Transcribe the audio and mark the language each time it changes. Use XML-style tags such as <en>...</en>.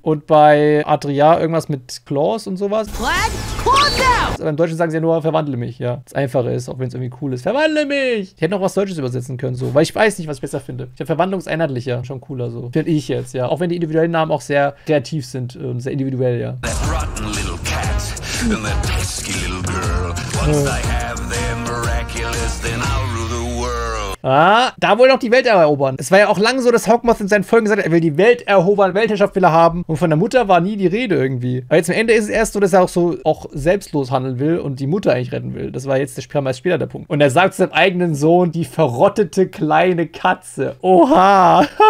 <de>Und bei Adria irgendwas mit Claws und sowas.</de> <en>What? Cool down!</en> <de>Aber im Deutschen sagen sie ja nur, verwandle mich, ja. Das Einfache ist, auch wenn es irgendwie cool ist. Verwandle mich! Ich hätte noch was Deutsches übersetzen können, so. Weil ich weiß nicht, was ich besser finde. Ich habe verwandlungseinheitlicher. Schon cooler, so. Finde ich jetzt, ja. Auch wenn die individuellen Namen auch sehr kreativ sind und sehr individuell, ja.</de> <en>That rotten little cat and that pesky little girl. Once I have them miraculous, then I'll rule the world.</en> <de>Ah, da wollte er auch die Welt erobern. Es war ja auch lang so, dass Hawkmoth in seinen Folgen gesagt hat, er will die Welt erobern, Weltherrschaft will er haben. Und von der Mutter war nie die Rede irgendwie. Aber jetzt am Ende ist es erst so, dass er auch so auch selbstlos handeln will und die Mutter eigentlich retten will. Das war jetzt der Spieler meist später der Punkt. Und er sagt zu seinem eigenen Sohn, die verrottete kleine Katze. Oha.</de>